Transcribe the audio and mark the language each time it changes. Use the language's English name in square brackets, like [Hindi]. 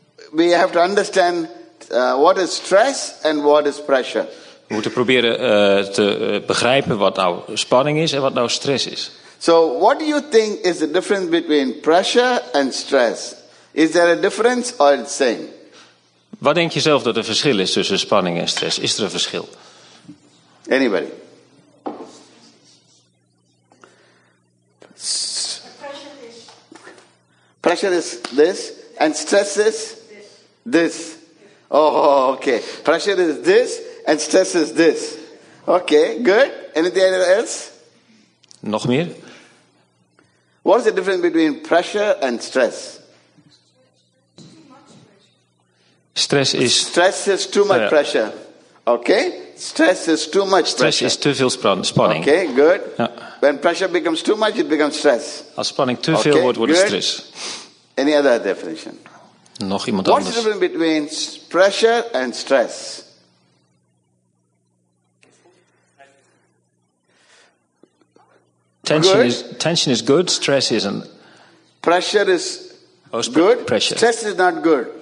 [English] We have to understand what is stress and what is pressure. [Dutch] We moeten proberen te begrijpen wat nou spanning is en wat nou stress is. [English] So, what do you think is the difference between pressure and stress? Is there a difference or the same? [Dutch] Wat denk je zelf dat het verschil is tussen spanning en stress? Is er een verschil? [English] Anybody? Pressure is this and stress is this. Oh, okay. Pressure is this. And stress is this. Okay, good. Anything else? [Dutch] Nog meer? [English] What is the difference between pressure and stress? Stress is too much pressure. Okay? Stress is too much pressure. [Dutch] Stress is te veel spanning. [English] Okay, good. [Dutch] Ja. [English] When pressure becomes too much, it becomes stress. [Dutch] Als spanning te veel wordt, wordt het stress. [English] Any other definition? [Dutch] Nog iemand anders? [English] What is the difference between pressure and stress? Tension is good, stress isn't. Pressure. Stress is not good.